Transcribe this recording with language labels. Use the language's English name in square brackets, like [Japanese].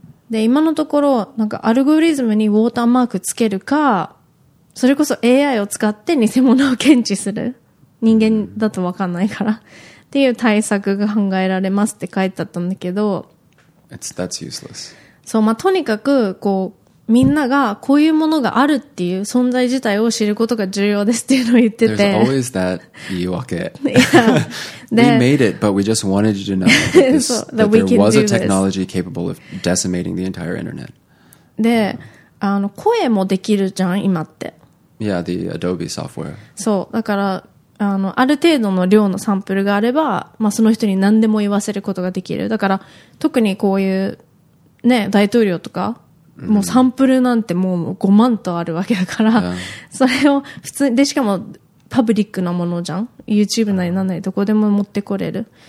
[Japanese] で今のところなんかアルゴリズムにウォーターマークつけるか、それこそ AI を使って偽物を検知する、人間だと分かんないからっていう対策が考えられますって書いてあったんだけど、 [English] that's useless. [Japanese] そう、まあ、とにかくこうみんながこういうものがあるっていう存在自体を知ることが重要ですっていうのを言ってて、 [English] There's always that 言い訳 We made it, but we just wanted you to know that there was a technology capable of decimating the entire internet. [Japanese] で声もできるじゃん今って。 [English] Yeah, the Adobe software. [Japanese] そうだから、ある程度の量のサンプルがあれば、まあ、その人に何でも言わせることができる。だから特にこういうね、大統領とか、もうサンプルなんてもう5万とあるわけだから、それを普通でしかもパブリックなものじゃん、 YouTube なりなんなりどこでも持ってこれる。